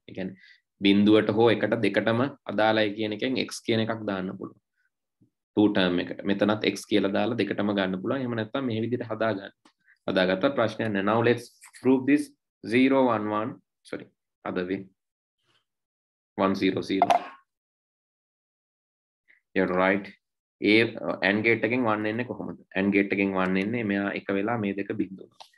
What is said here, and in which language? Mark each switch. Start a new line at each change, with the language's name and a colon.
Sinhala: ඒ කියන්නේ බිඳුවට හෝ එකට දෙකටම අදාළයි කියන එකෙන් x කියන එකක් දාන්න පුළුවන්. 2 term එකට. මෙතනත් x කියලා දාලා දෙකටම ගන්න පුළුවන්. එහෙම නැත්නම් මේ විදිහට හදා ගන්න. හදාගත්ත ප්‍රශ්නය නේ.
English: Now let's prove this 0 1 1 sorry. Other way. 1 0 0. You're right.
Sinhala: A AND gate එකෙන් 1 එන්නේ කොහොමද? AND gate එකෙන් 1 එන්නේ මෙයා එක වෙලා මේ දෙක බිඳුව.